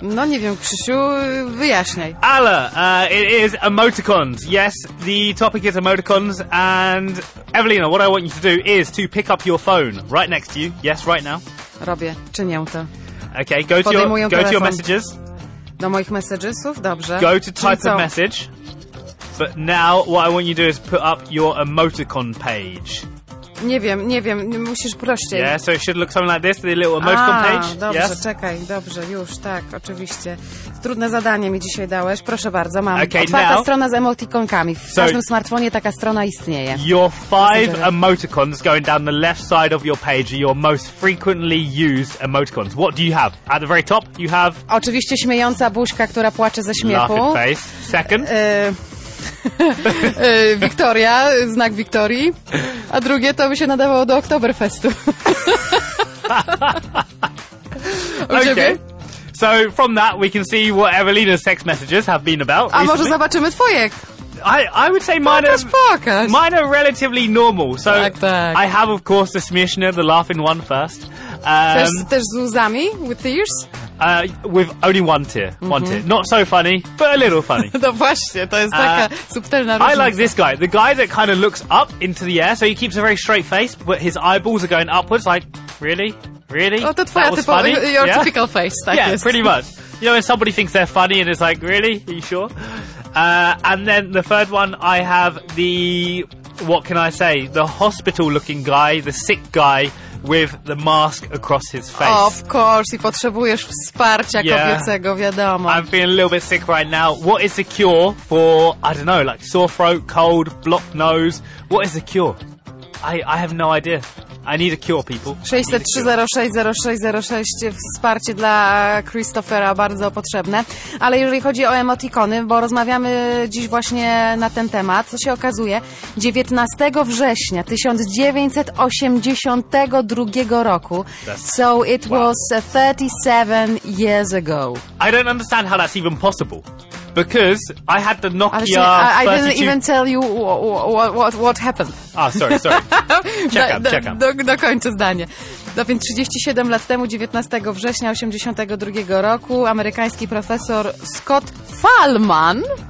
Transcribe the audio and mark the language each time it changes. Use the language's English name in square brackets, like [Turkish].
[Polish] No nie wiem, Krzysiu, wyjaśnij. [English] Ale, it is emoticons. Yes, the topic is emoticons. And Evelina, what I want you to do is to pick up your phone right next to you. Yes, right now. [Polish] Robię, czynię to. [English] Okay, go to your messages. [Polish] Do moich messagesów, dobrze. [English] Go to type a message. But now what I want you to do is put up your emoticon page. [Polish] Nie wiem, musisz prościej. [English] Yeah, so it should look something like this, the little emoticon page. [Polish] Dobrze, [English] yes? [Polish] Czekaj, dobrze, już, tak, oczywiście. Trudne zadanie mi dzisiaj dałeś, proszę bardzo, mam. [English] Okay, [Polish] otwarta [English] now, [Polish] strona z emotikonkami. W każdym smartfonie taka strona istnieje. [English] Your five emoticons going down the left side of your page are your most frequently used emoticons. What do you have? At the very top you have... [Polish] Oczywiście śmiejąca buźka, która płacze ze śmiechu. [English] Laughing face. Second... [Polish] Wiktoria, znak Wiktorii. A drugie to by się nadawało do Oktoberfestu. Okay. Ciebie? [English] So from that we can see what Evelina's text messages have been about. [Polish] A [English] recently. [Polish] Może zobaczymy twoje. [English] I would say mine are relatively normal. So [Polish] tak. [English] I have of course the Smieszne, the laughing one first. [Polish] Też z łzami, [English] with tears? With only one tear. Mm-hmm. One tear. Not so funny, but a little funny. [Polish] No właśnie, to jest taka subtelna różnica. [English] I like this guy. The guy that kind of looks up into the air, so he keeps a very straight face, but his eyeballs are going upwards, like, really? Really? [Polish] O, to twoja typowa, [English] your yeah? typical face. [Polish] Tak [English] yeah, [Polish] jest. [English] Pretty much. You know, when somebody thinks they're funny and it's like, really? Are you sure? And then the third one, I have the, what can I say, the hospital-looking guy, the sick guy, with the mask across his face. Of course, [Polish] i potrzebujesz wsparcia kobiecego, wiadomo. [English] I'm feeling a little bit sick right now. What is the cure for, I don't know, like sore throat, cold, blocked nose? What is the cure? I have no idea. I need a cure, people. [Polish] 603-06-06-06, wsparcie dla Christophera, bardzo potrzebne. Ale jeżeli chodzi o emotikony, bo rozmawiamy dziś właśnie na ten temat, co się okazuje, 19 września 1982 roku, [English] so it was 37 years ago. I don't understand how that's even possible. Because I had the Nokia 32... I didn't even tell you what happened. Ah, sorry. Check out. [Polish] Do końca zdanie. No więc 37 lat temu, 19 września 82 roku, amerykański profesor Scott Fallman...